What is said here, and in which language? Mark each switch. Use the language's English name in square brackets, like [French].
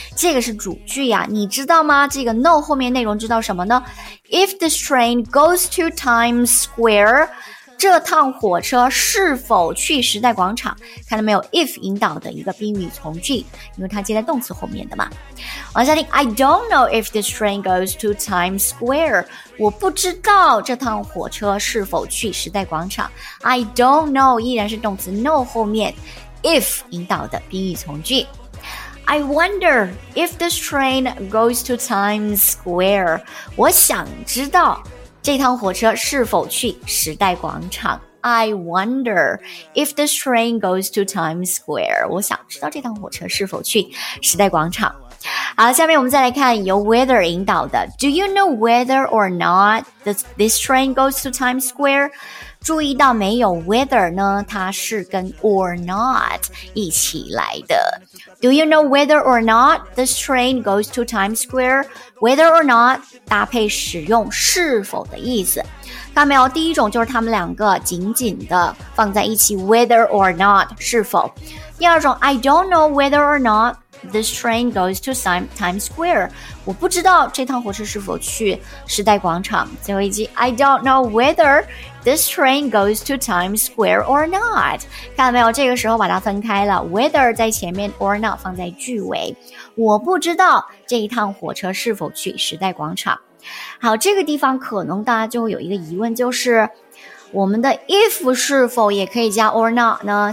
[Chinese] 这个是主句呀、啊、你知道吗这个 know 后面内容知道什么呢 ? [English] If this train goes to Times Square, [Chinese] 这趟火车是否去时代广场看到没有 ?if 引导的一个宾语从句因为它接在动词后面的嘛。 [English] 往下听 ,I don't know if this train goes to Times Square. [Chinese] 我不知道这趟火车是否去时代广场。 [English] I don't know [Chinese] 依然是动词 know 后面 if 引导的宾语从句。 [English] I wonder if this train goes to Times Square. [Chinese] 我想知道这趟火车是否去时代广场。 [English] I wonder if this train goes to Times Square. [Chinese] 我想知道这趟火车是否去时代广场。好下面我们再来看由 [English] whether [Chinese] 引导的 [English] Do you know whether or not this train goes to Times Square? [Chinese] 注意到没有 [English] whether [Chinese] 呢它是跟 [English] or not [Chinese] 一起来的 [English] Do you know whether or not this train goes to Times Square? [Chinese] Whether or not 搭配使用是否的意思看到没有第一种就是他们两个紧紧的放在一起 whether or not 是否第二种 [English] I don't know whether or notThis train goes to Times Square. [Chinese] 我不知道这趟火车是否去时代广场。最后一句 [English] I don't know whether this train goes to Times Square or not. [Chinese] 看到没有？这个时候把它分开了。Whether 在前面 ，or not 放在句尾。我不知道这一趟火车是否去时代广场。好，这个地方可能大家就会有一个疑问，就是我们的 if 是否也可以加 or not 呢？